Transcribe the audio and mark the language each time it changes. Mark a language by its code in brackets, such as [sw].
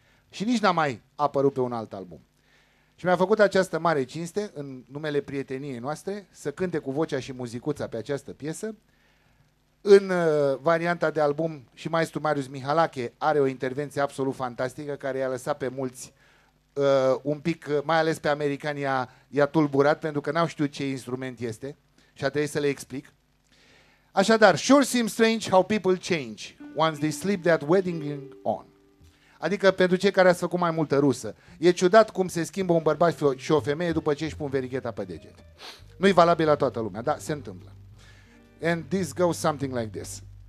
[ro] Și nici n-a mai apărut pe un alt album. Și mi-a făcut această mare cinste, în numele prieteniei noastre, să cânte cu vocea și muzicuța pe această piesă. În varianta de album și maestru Marius Mihalache are o intervenție absolut fantastică care i-a lăsat pe mulți un pic, mai ales pe americani, i-a tulburat pentru că n-au știut ce instrument este și a trebuit să le explic. Așadar, [en] sure seems strange how people change once they slip that wedding ring on. [ro] Adică pentru cei care ați făcut mai multă rusă. E ciudat cum se schimbă un bărbat și o femeie după ce își pun verigheta pe deget. Nu-i valabil la toată lumea, dar se întâmplă. [en] And this goes something like this.